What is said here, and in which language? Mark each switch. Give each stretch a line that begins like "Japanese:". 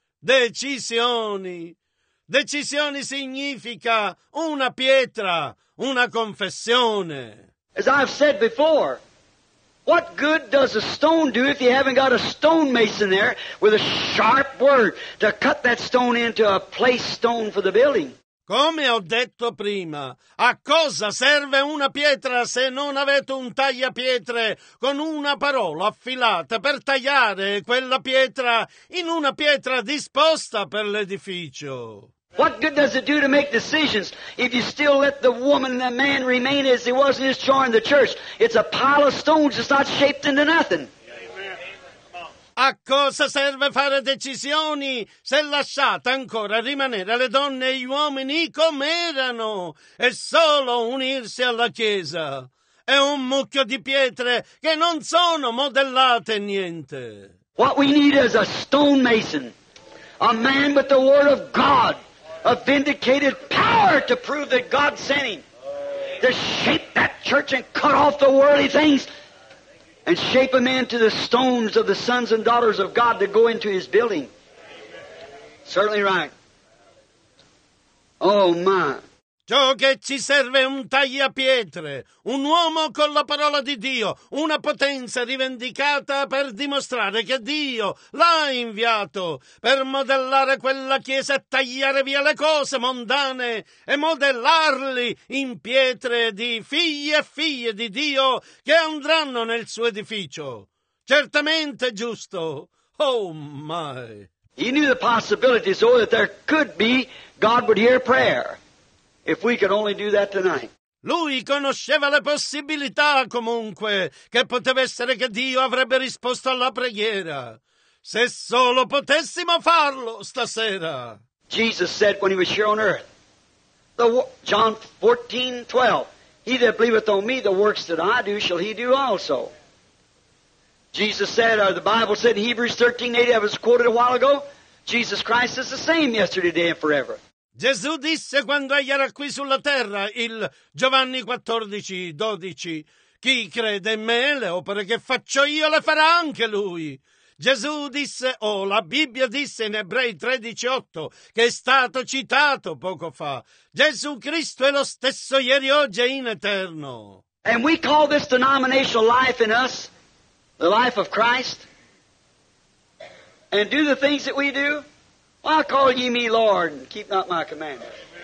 Italian: Decisioni. Decisioni significa una pietra, una confessione.
English: As I've said before, what good does a stone do if you haven't got a stonemason there with a sharp word to cut that stone into a place stone for the building?
Italian: Come ho detto prima, a cosa serve una pietra se non avete un tagliapietre con una parola affilata per tagliare quella pietra in una pietra disposta per l'edificio?
English: What good does it do to make decisions if you still let the woman and the man remain as he was in his jar in the church? It's a pile of stones, it's not shaped into nothing.
Italian: A cosa serve fare decisioni se lasciate ancora rimanere le donne e gli uomini come erano e solo unirsi alla Chiesa? È un mucchio di pietre che non sono modellate niente.
English: What we need is a stonemason, a man with the word of God, a vindicated power to prove that God sent him, to shape that church and cut off the worldly things. And shape a man to the stones of the sons and daughters of God to go into his building. Amen. Certainly right. Oh, my.
Italian: Ciò che ci serve è un tagliapietre, un uomo con la parola di Dio, una potenza rivendicata per dimostrare che Dio l'ha inviato per modellare quella chiesa e tagliare via le cose mondane e modellarli in pietre di figli e figlie di Dio che andranno nel suo edificio. Certamente giusto.
English: Oh my. He knew the possibility so that there could be God would hear prayer. If we could only do that tonight.
Italian: Lui conosceva le possibilità comunque che poteva essere che Dio avrebbe risposto alla preghiera. Se solo potessimo farlo stasera.
English: Jesus said when he was here on earth, John 14, 12. He that believeth on me, the works that I do, shall he do also. Jesus said, or the Bible said in Hebrews 13:8, I was quoted a while ago, Jesus Christ is the same yesterday, today, and forever.
Italian: Gesù disse quando egli era qui sulla terra, il Giovanni 14:12, chi crede in me, le opere che faccio io le farà anche lui. Gesù disse, la Bibbia disse in Ebrei 13:8, che è stato citato poco fa, Gesù Cristo è lo stesso ieri, oggi e in eterno.
English: And we call this denominational life in us, the life of Christ, and do the things that we do, why call ye me Lord and keep not my commandments?